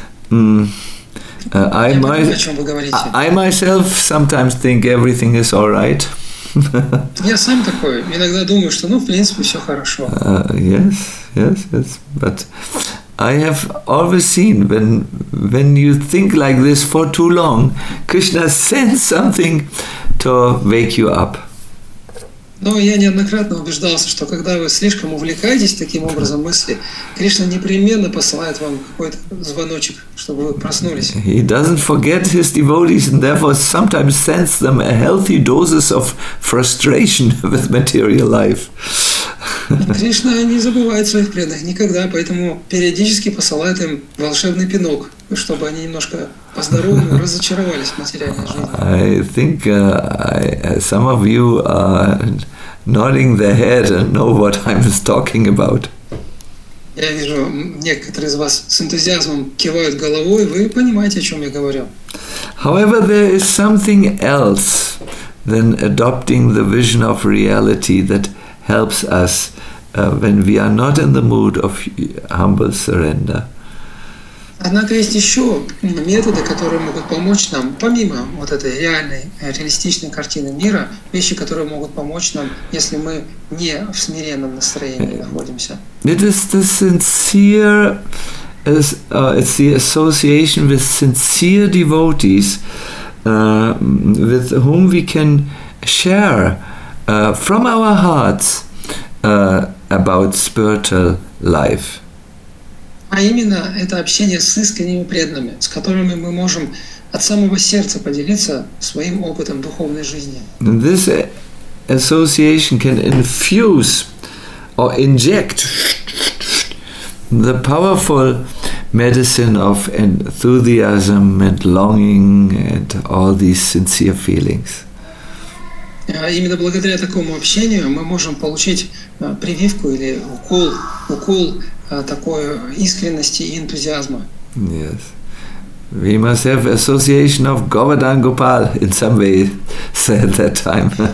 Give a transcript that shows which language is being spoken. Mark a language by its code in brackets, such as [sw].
[en] I myself sometimes think everything is all right. [ru] Я сам такой. Иногда думаю, что, ну, в принципе, все хорошо. [en] Yes. But I have always seen when you think like this for too long, Krishna sends something to wake you up. [ru] Но я неоднократно убеждался, что когда вы слишком увлекаетесь таким образом мысли, Кришна непременно посылает вам какой-то звоночек, чтобы вы проснулись. [en] He doesn't forget his devotees and therefore sometimes sends them a healthy doses of frustration with material life. [ru] Кришна не забывает своих преданных никогда, поэтому периодически посылает им волшебный пинок. чтобы они немножко по-здоровому разочаровались в материальной жизни. [en] I think some of you are nodding their head and know what I'm talking about. [ru] Я вижу, некоторые из вас с энтузиазмом кивают головой, вы понимаете, о чем я говорю. [en] However, there is something else than adopting the vision of reality that helps us when we are not in the mood of humble surrender. [ru] Однако есть еще методы, которые могут помочь нам, помимо вот этой реальной, реалистичной картины мира, вещи, которые могут помочь нам, если мы не в смиренном настроении находимся. [en] It is the sincere, it's the association with sincere devotees, with whom we can share from our hearts about spiritual life. [ru] А именно это общение с искренними преданными, с которыми мы можем от самого сердца поделиться своим опытом духовной жизни. [en] This association can infuse or inject the powerful medicine of enthusiasm and longing and all these sincere feelings. [ru] Именно благодаря такому общению мы можем получить прививку или укол такой искренности и энтузиазма. [en] Yes. We must have association of Govardhan Gopal in some way said that time.